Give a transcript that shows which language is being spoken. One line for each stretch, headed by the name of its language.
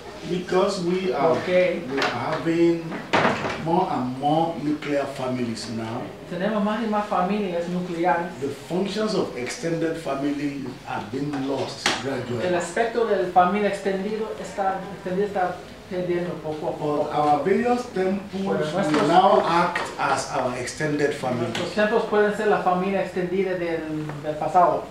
English: because we are having more and more nuclear families now.
Spanish: Tenemos más y más familias nucleares.
English: The functions of extended family are being lost gradually.
Spanish: El aspecto de familia extendido está perdiendo poco a poco.
English: Our various temples will now act as our extended family.
Spanish: Los templos pueden ser la familia extendida del pasado.